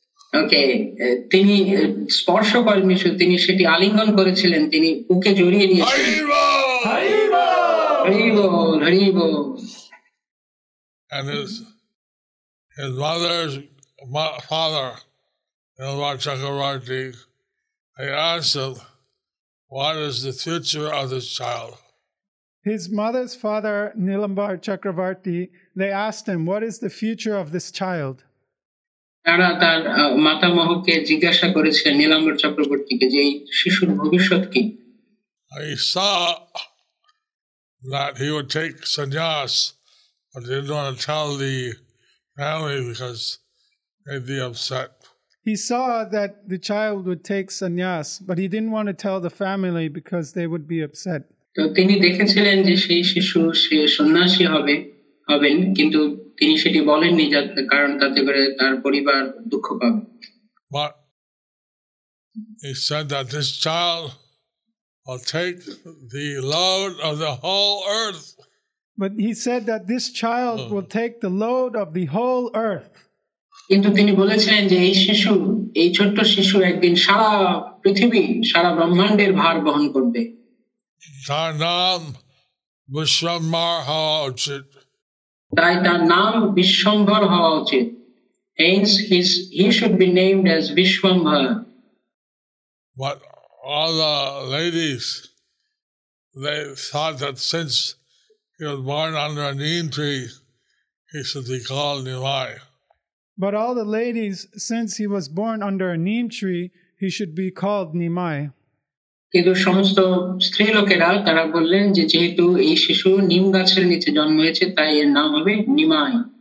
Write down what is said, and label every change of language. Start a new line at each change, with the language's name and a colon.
Bangla: Okay, তিনি স্পর্শ করেননি, তিনি সেটি আলিঙ্গন করেছিলেন, তিনি উকে জড়িয়ে নিয়েছিলেন.
English: His mother's father, Nilambar Chakravarti, he asked him, what is the future of this child? His mother's father, Nilambar Chakravarti, they asked him, what is the future of this child?
Bangla: তারা তার মাতামহকে জিজ্ঞাসা করেছিলেন নীলাম্বর চক্রবর্তীকে যে এই শিশুর ভবিষ্যৎ কি.
English: I saw that he would take sannyas, but didn't want to tell the family because they'd be upset. He saw that the child would take sannyas, but he didn't want to tell the family because they would be upset.
Bangla: তো তিনি দেখেছিলেন যে সেই শিশু সে সন্ন্যাসী হবেন, কিন্তু তিনি সেটি বলেননি যাতে কারণ তাতে করে তার পরিবার দুঃখ পাবে।
English: But he said that this child will take the load of the whole earth. But he said that this child will take the load of the whole earth.
Bangla: কিন্তু তিনি বলেছিলেন যে এই শিশু, এই ছোট্ট শিশু একদিন সারা পৃথিবী, সারা ব্রহ্মাণ্ডের ভার বহন করবে। তার নাম বিশ্বম্ভর হওয়া উচিত। তাই তার নাম বিশ্বম্ভর হওয়া উচিত।
English: Hence, he should be named as Vishwambhar. But all the ladies, they thought that since he was born under a neem tree, he should be called Nimai. But all the ladies, since he was born under a neem tree, he should be called Nimai.
Bangla: কিন্তু সমস্ত স্ত্রী লোকেরা তারা বললেন যে যেহেতু এই শিশু নিম গাছের নিচে জন্ম হয়েছে তাই এর নাম হবে নিমাই।